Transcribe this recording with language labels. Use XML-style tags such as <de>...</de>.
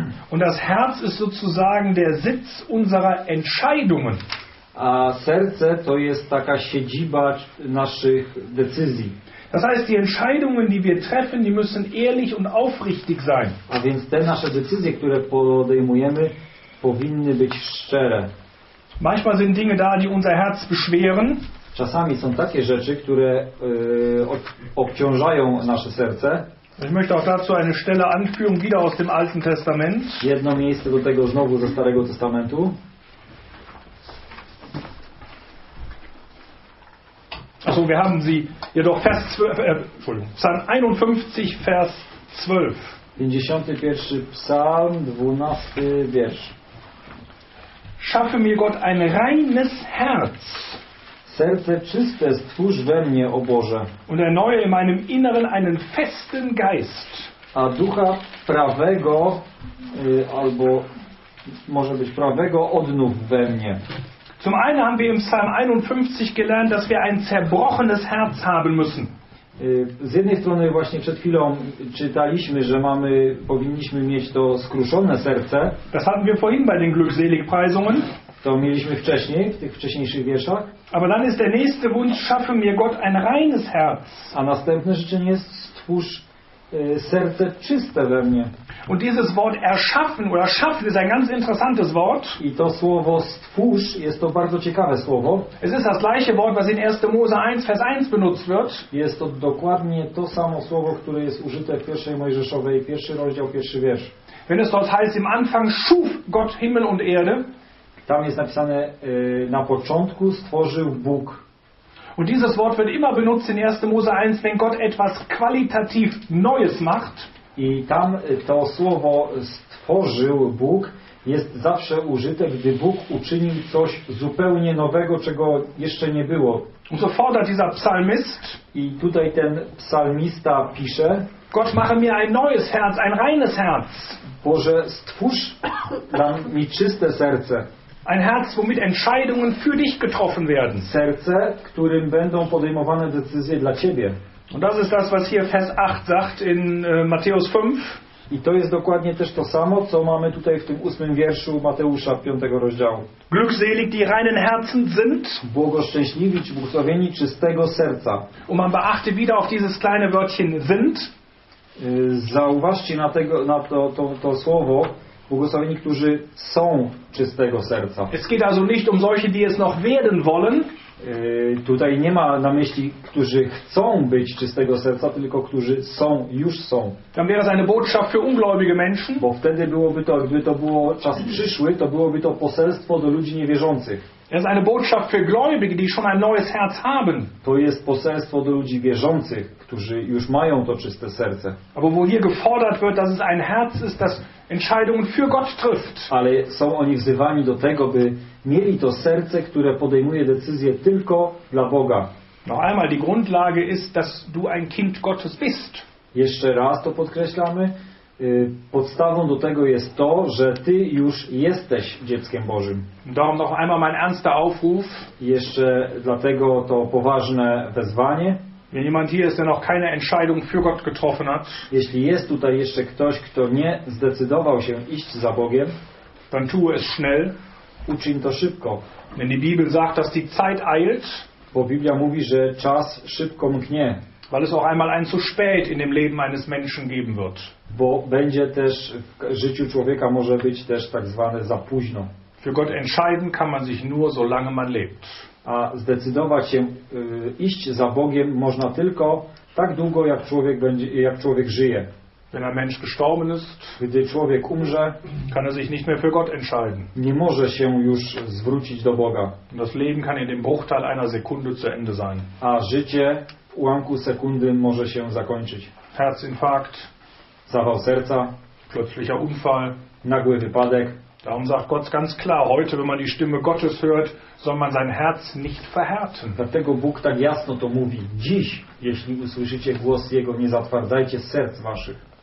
<de>Und das Herz ist sozusagen der Sitz unserer Entscheidungen.</de> <pl>A serce to jest taka siedziba naszych decyzji.</pl> <de>Das heißt, die Entscheidungen, die wir treffen, die müssen ehrlich und aufrichtig sein.</de> <pl>A więc te nasze decyzje, które podejmujemy, powinny być szczere.</pl> <de>Manchmal sind Dinge da, die unser Herz beschweren.</de> <pl>Czasami są takie rzeczy, które obciążają nasze serce.</pl> <de>Ich möchte auch dazu eine Stelle anführen, wieder aus dem Alten Testament.</de> <pl>Jedno miejsce do tego znowu ze Starego Testamentu.</pl> <de>Also wir haben sie jedoch Vers 12, Entschuldigung, Psalm 51, Vers 12.</de> <pl>51. Psalm, 12. Wiersz.</pl> <de>Schaffe mir Gott ein reines Herz.</de> <pl>Serce czyste stwórz we mnie, o Boże.</pl> <de>Und erneuere in meinem Inneren einen festen Geist.</de> <pl>A ducha prawego, albo może być prawego, odnów we mnie.</pl> <de>Zum einen haben wir im Psalm 51 gelernt, dass wir ein zerbrochenes Herz haben müssen.</de> <pl>Z jednej strony właśnie przed chwilą czytaliśmy, że powinniśmy mieć to skruszone serce.</pl> <de>Das hatten wir vorhin bei den Glückseligpreisungen.</de> <pl>To mieliśmy wcześniej, w tych wcześniejszych wierszach.</pl> <de>Aber dann ist der nächste Wunsch, schaffe mir Gott ein reines Herz.</de> <pl>A następne życzenie jest, stwórz serce czyste we mnie.</pl> <de>Und dieses Wort erschaffen oder schaffen ist ein ganz interessantes Wort.</de> <pl>I to słowo stwórz jest to bardzo ciekawe słowo.</pl> <de>Es ist das gleiche Wort, was in 1. Mose 1, Vers 1 benutzt wird.</de> <pl>Jest to dokładnie to samo słowo, które jest użyte w 1. Mojżeszowej, 1. rozdział, 1. wiersz.</pl> <de>Wenn es dort heißt, im Anfang schuf Gott Himmel und Erde.</de> <pl>Tam jest napisane, na początku stworzył Bóg.</pl> <de>Und dieses Wort wird immer benutzt in 1. Mose 1, wenn Gott etwas qualitativ Neues macht.</de> <pl>I tam to słowo stworzył Bóg jest zawsze użyte, gdy Bóg uczynił coś zupełnie nowego, czego jeszcze nie było.</pl> <de>Und so fordert dieser Psalmist.</de> <pl>I tutaj ten psalmista pisze.</pl> <de>Gott, mache mir ein neues Herz, ein reines Herz.</de> <pl>Boże, stwórz dam mi czyste serce.</pl> <de>Ein Herz, womit Entscheidungen für dich getroffen werden.</de> <pl>Serce, którym będą podejmowane decyzje dla ciebie.</pl> <de>Und das ist das, was hier Vers 8 sagt in Matthäus 5.</de> <pl>I to jest dokładnie też to samo, co mamy tutaj w tym 8. wierszu Mateusza 5. rozdziału.</pl> <de>Glückselig die reinen Herzen sind.</de> <pl>Błogoszczęśliwi, błogosławieni czystego serca.</pl> <de>Und man beachte wieder auf dieses kleine Wörtchen sind.</de> <pl>Zauważcie na tego, na to słowo. Błogosławieni, którzy są czystego serca.</pl> <de>Es geht also nicht um solche, die es noch werden wollen.</de> <pl>Tutaj nie ma na myśli, którzy chcą być czystego serca, tylko którzy są, już są.</pl> <de>Dann wäre es eine Botschaft für ungläubige Menschen.</de> <pl>Bo wtedy byłoby to, gdyby to było czas przyszły, to byłoby to poselstwo do ludzi niewierzących.</pl> <de>Es ist eine Botschaft für Gläubige, die schon ein neues Herz haben.</de> <pl>To jest poselstwo do ludzi wierzących, którzy już mają to czyste serce.</pl> <de>Aber wo hier gefordert wird, dass es ein Herz ist, das Entscheidungen für Gott trifft.</de> <pl>Ale są oni wzywani do tego, by mieli to serce, które podejmuje decyzje tylko dla Boga.</pl> <de>Noch einmal, die Grundlage ist, dass du ein Kind Gottes bist.</de> <pl>Jeszcze raz to podkreślamy. Podstawą do tego jest to, że ty już jesteś dzieckiem Bożym.</pl> <de>Darum noch einmal mein ernster Aufruf.</de> <pl>Jeszcze dlatego to poważne wezwanie.</pl> <de>Wenn jemand hier ist, der noch keine Entscheidung für Gott getroffen hat.</de> <pl>Jeśli jest tutaj jeszcze ktoś, kto nie zdecydował się iść za Bogiem,</pl> <de>dann tue es schnell.</de> <pl>Uczyń to szybko.</pl> <de>Denn die Bibel sagt, dass die Zeit eilt.</de> <pl>Bo Biblia mówi, że czas szybko mknie.</pl> <de>weil es auch einmal ein zu spät in dem Leben eines Menschen geben wird.</de> <pl>Bo będzie też w życiu człowieka może być też tak zwane za późno.</pl> <de>Für Gott entscheiden kann man sich nur solange man lebt.</de> <pl>A zdecydować się iść za Bogiem można tylko tak długo jak człowiek będzie, jak człowiek żyje.</pl> <de>Wenn ein Mensch gestorben ist,</de> <pl>gdy człowiek umrze,</pl> <de>kann er sich nicht mehr für Gott entscheiden.</de> <pl>Nie może się już zwrócić do Boga.</pl> <de>Das Leben kann in dem Bruchteil einer Sekunde zu Ende sein.</de> <pl>A życie w ułamku sekundy może się zakończyć.</pl> <de>Herzinfarkt,</de> <pl>zawał serca,</pl> <de>plötzlicher Unfall,</de> <pl>nagły wypadek.</pl> <de>Darum sagt Gott ganz klar, heute, wenn man die Stimme Gottes hört, soll man sein Herz nicht verhärten.</de> <pl>Dlatego Bóg tak jasno to mówi. Dziś, jeśli usłyszycie głos Jego, nie zatwardzajcie serc waszych.</pl>